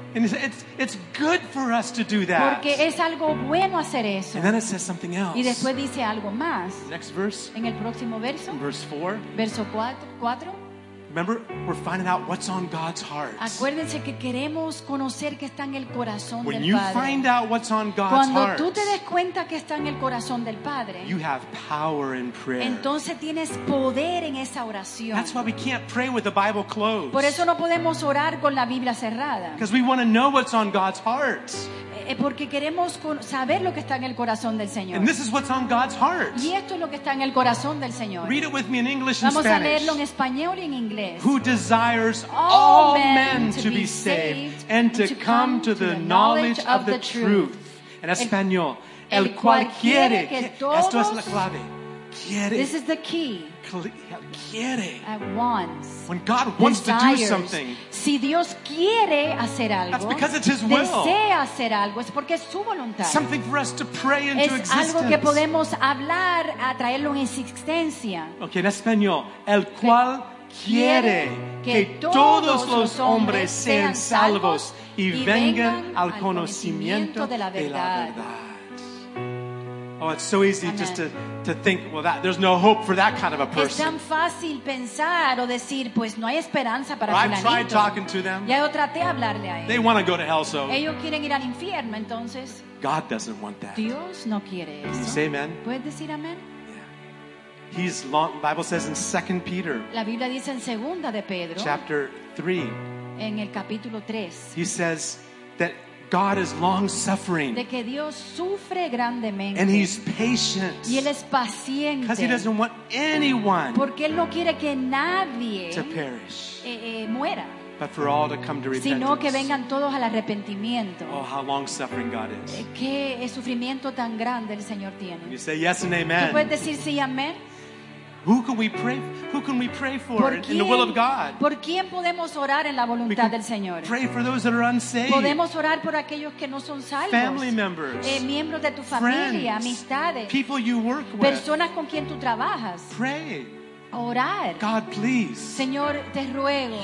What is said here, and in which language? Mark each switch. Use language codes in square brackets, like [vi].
[en] And it's good for us to do that. [es] Porque es algo bueno hacer eso. [en] And then it says something else. [es] Y después dice algo más. [en] Next verse. [es] En el próximo verso. [en] Verse 4. [es] Verso 4. [en] Remember, we're finding out what's on God's heart. [es] Acuérdense que queremos conocer qué está en el corazón [en] When [es] del [en] you [es] Padre. [en] Find out what's on God's [es] Cuando [en] heart, [es] tú te des cuenta qué está en el corazón del Padre, [en] you have power in prayer. [es] Entonces tienes poder en esa oración. [en] That's why we can't pray with the Bible closed. [es] Por eso no podemos orar con la Biblia cerrada. [en] Because we want to know what's on God's heart. [es] Porque queremos saber lo que está en el corazón del Señor. [en] And this is what's on God's heart. [es] Y esto es lo que está en el corazón del Señor. [en] Read it with me in English and [es] Vamos [en] Spanish. [es] A leerlo en español y en inglés. [en] Who desires all men to be saved and to come to the knowledge of the truth. [es] En español. El cual quiere que todos. Esto es la clave. Quiere. [en] This is the key. [es] Quiere. [en] At once. When God wants desires. To do something. [es] Si Dios quiere hacer algo. [en] That's because it's His will. [es] Desea hacer algo. Es porque es su voluntad. [en] Something for us to pray into [es] es [en] existence. [es] Es algo que podemos hablar, atraerlo en existencia. Okay, en español. El cual quiere que todos los hombres sean salvos y vengan al conocimiento de la verdad. [en] Oh, it's so easy Amen. Just to think, well, that there's no hope for that kind of a person. [es] Es tan fácil pensar o decir, pues no hay esperanza para fulanito. [en] I've tried talking to them. [es] Ya traté hablarle a ellos. [en] They want to go to hell, so. [es] Ellos quieren ir al infierno, entonces. [en] God doesn't want that. [es] Dios no quiere eso. [en] Can you say amen? [es] ¿Puedes decir amén? [en] Yeah. He's long. The Bible says in 2 Peter. [es] La Biblia dice en segunda de Pedro. [en] Chapter 3. [es] En el capítulo 3. [en] He says that. God is long suffering. [es] De que Dios sufre grandemente. [en] And he's patient. [es] Y él es paciente. [en] Because he doesn't want anyone. [es] Porque él no quiere que nadie [en] to perish. [es] Muera. [en] But for all to come to repentance. [es] Sino que vengan todos al arrepentimiento. [en] Oh, how long suffering God is. [es] Qué sufrimiento tan grande el Señor tiene. [en] You say yes and amen. [es] ¿Tú puedes decir sí y amén? [en] Who can we pray for in the will of God? [es] ¿Por quién podemos orar en la voluntad del Señor? [en] Pray for those that are unsaved. [es] Podemos orar por aquellos que no son salvos. [en] Family members. [es] Miembros de tu familia, amistades. [en] People you work with. [es] Personas con quien tú trabajas. [en] Pray. [es] Orar. [en] God, please. [es] Señor, te ruego.